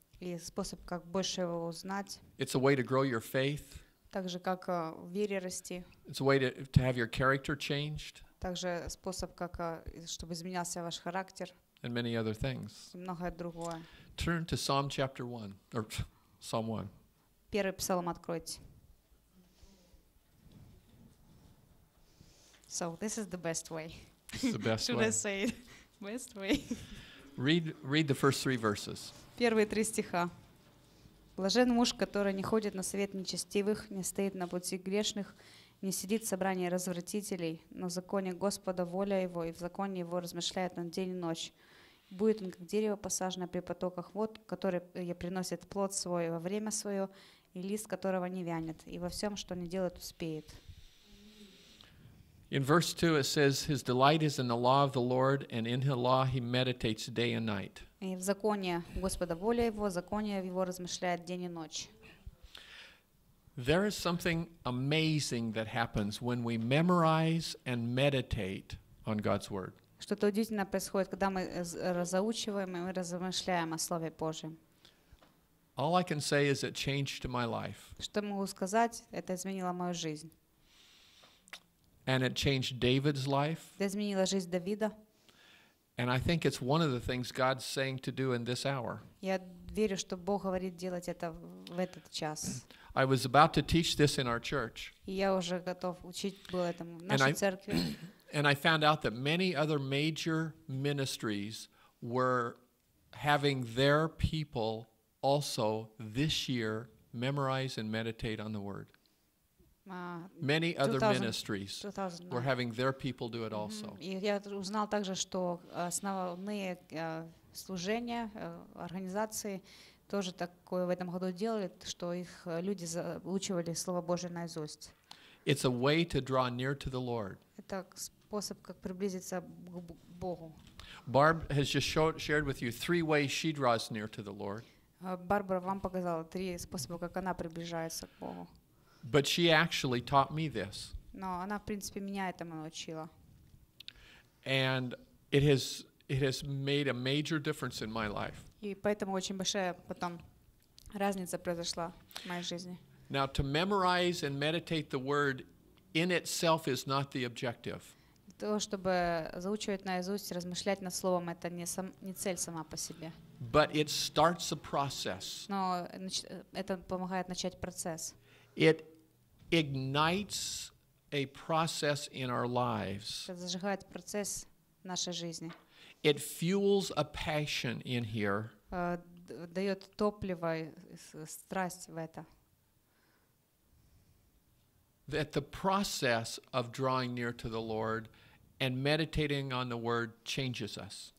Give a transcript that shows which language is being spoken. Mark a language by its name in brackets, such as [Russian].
[Russian] И способ как больше Его узнать. [English] It's a way to grow your faith. [Russian] Также как в вере расти. [English] It's a way to have your character changed. [Russian] Также способ как чтобы изменялся ваш характер. [English] And many other things. [Russian] Многое другое. [English] Turn to Psalm chapter 1 or Psalm 1. [Russian] Первый псалом откройте. [English] So this is the best way. It's the best Should way. Should I say it? Best way. Read the first three verses. [Russian] Первые три стиха. Блажен муж, который не ходит на совет нечестивых, не стоит на пути грешных, не сидит в собрании развратителей, но в законе Господа воля его, и в законе его размышляет он день и ночь. Будет он, как дерево, посаженное при потоках вод, которое приносит плод свой во время свое, и лист которого не вянет, и во всем, что не делает, успеет. [English] In verse 2 it says, His delight is in the law of the Lord, and in His law He meditates day and night. [Russian] И в законе Господа воля его, в законе его размышляет день и ночь. [English] There is something amazing that happens when we memorize and meditate on God's word. [Russian] Что-то удивительное происходит, когда мы заучиваем и мы размышляем о Слове Божьем. [English] All I can say is it changed my life. [Russian] Что могу сказать, это изменило мою жизнь. [English] And it changed David's life. [Russian] Это изменило жизнь Давида. [English] And I think it's one of the things God's saying to do in this hour. [Russian] Я верю, что Бог говорит делать это в этот час. [English] I was about to teach this in our church. [Russian] Я уже готов учить был этому в нашей церкви. [English] And I found out that many other major ministries were having their people also this year memorize and meditate on the word. Many other ministries were having their people do it also. [Russian] И я узнал также, что основные служения, организации тоже такое в этом году делали, что их люди заучивали Слово Божие наизусть. [English] It's a way to draw near to the Lord. [Russian] Это способ как приблизиться к Богу. [English] Barb has just shared with you three ways she draws near to the Lord. [Russian] Барбара вам показала три способа, как она приближается к Богу. [English] But she actually taught me this. [Russian] Но она, в принципе, меня этому научила. [English] And it has made a major difference in my life. [Russian] И поэтому очень большая потом разница произошла в моей жизни. [English] Now to memorize and meditate the word in itself is not the objective. [Russian] То, чтобы заучивать наизусть, размышлять над словом, это не цель сама по себе. [English] But it starts a process. [Russian] Но это помогает начать процесс. [English] It ignites a process in our lives. [Russian] Это зажигает процесс в нашей жизни. [English] It fuels a passion in here. [Russian] Дает топливо, страсть в это. [English] That the process of drawing near to the Lord and meditating on the word changes us.